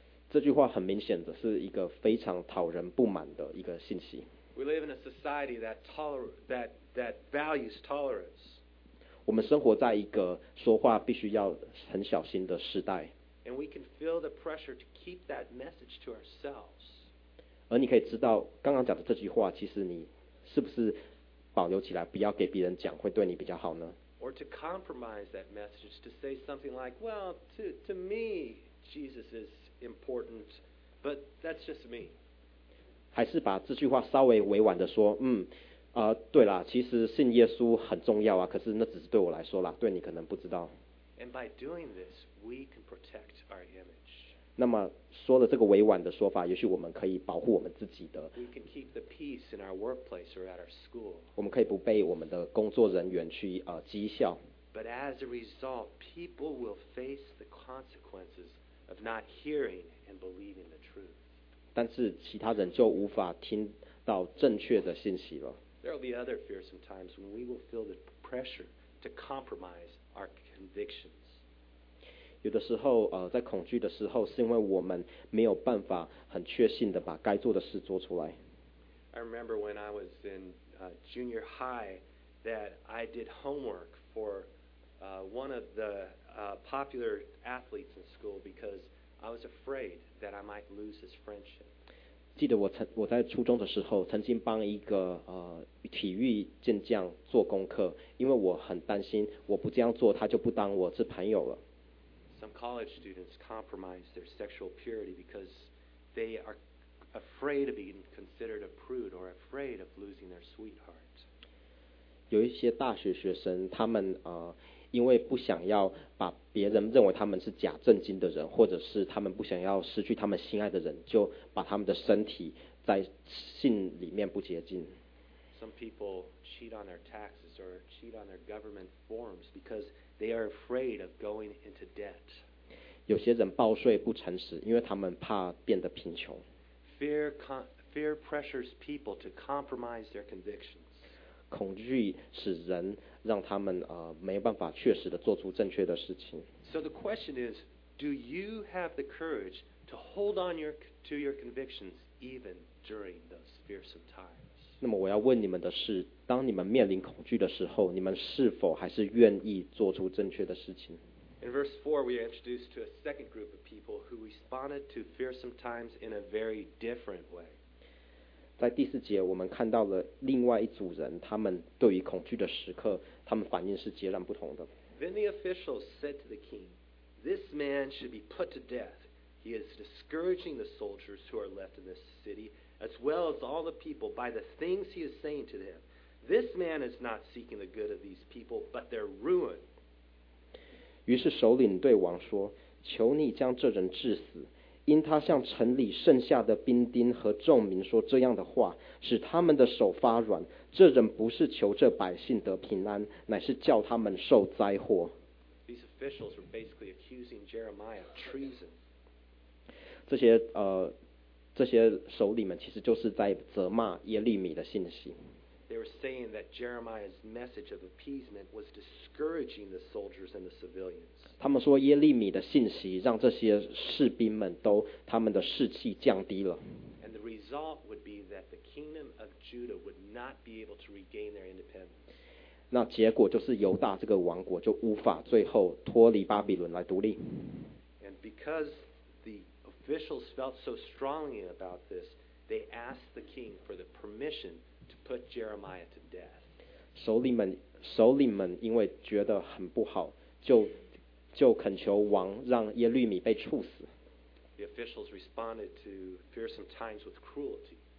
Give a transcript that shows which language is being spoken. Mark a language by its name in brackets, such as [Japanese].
[Chinese] 这句话很明显的是一个非常讨人不满的一个信息。 [English] We live in a society that values tolerance. [Chinese] 我们生活在一个说话必须要很小心的时代。 [English] And we can feel the pressure to keep that message to ourselves. [Chinese] 而你可以知道，刚刚讲的这句话，其实你是不是保留起来，不要给别人讲，会对你比较好呢？ [English] Or to compromise that message, to say something like, well, to me, Jesus is important, but that's just me. [Chinese] 还是把这句话稍微委婉的说，对啦，其实信耶稣很重要啊，可是那只是对我来说啦，对你可能不知道。 [English] And by doing this, we can protect our image. [Chinese] 那么说了这个委婉的说法，也许我们可以保护我们自己的。 [English] We can keep the peace in our workplace or at our school. [Chinese] 我们可以不被我们的工作人员去讥笑。 [English] But as a result, people will face the consequences of not hearing and believing the truth. [Chinese] 但是其他人就无法听到正确的信息了。 [English] There will be other fearsome times when we will feel the pressure to compromise our convictions. [Chinese] 有的时候在恐惧的时候，是因为我们没有办法很确信的把该做的事做出来。 [English] I remember when I was in junior high that I did homework for one of the popular athletes in school because I was afraid that I might lose his friendship. [Chinese] 记得我在初中的时候曾经帮一个体育健将做功课，因为我很担心我不这样做他就不当我是朋友了。 [English] Some college students compromise their sexual purity because they are afraid of being considered a prude or afraid of losing their sweetheart. [Chinese] 有一些大学学生，他们因为不想要把别人认为他们是假正经的人，或者是他们不想要失去他们心爱的人，就把他们的身体在性里面不洁净。 [English] Some people cheat on their taxes or cheat on their government forms because they are afraid of going into debt. [Chinese] 有些人报税不诚实，因为他们怕变得贫穷。 [English] Fear pressures people to compromise their convictions. [Chinese] 恐惧使人让他们没办法确实的做出正确的事情。 [English] So the question is, do you have the courage to hold on to your convictions even during those fearsome times? [Chinese] 那么我要问你们的是，当你们面临恐惧的时候，你们是否还是愿意做出正确的事情？ [English] In verse 4, we are introduced to a second group of people who responded to fearsome times in a very different way. [Chinese] 在第四节，我们看到了另外一组人，他们对于恐惧的时刻，他们反应是截然不同的。 [English] Then the officials said to the king, "This man should be put to death. He is discouraging the soldiers who are left in this city." As well as all the people by the things he is saying to them. This man is not seeking the good of these people, but their ruin. [Chinese] 于是首领对王说，求你将这人治死，因他向城里剩下的兵丁和众民说这样的话，使他们的手发软。这人不是求这百姓得平安，乃是叫他们受灾祸。 [English] These officials were basically accusing Jeremiah of treason. [Chinese] 这些首领们其实就是在责骂耶利米的信息。 [English] They were saying that Jeremiah's message of appeasement was discouraging the soldiers and the civilians. [Chinese] 他们说耶利米的信息让这些士兵们都他们的士气降低了。 [English] And the result would be that the kingdom of Judah would not be able to regain their independence. [Chinese] 那结果就是犹大这个王国就无法最后脱离巴比伦来独立。 [English] And because officials felt so strongly about this, they asked the king for the permission to put Jeremiah to death. [Chinese] 首领们因为觉得很不好，就恳求王让耶律米被处死。 [English] The officials responded to fearsome times with cruelty.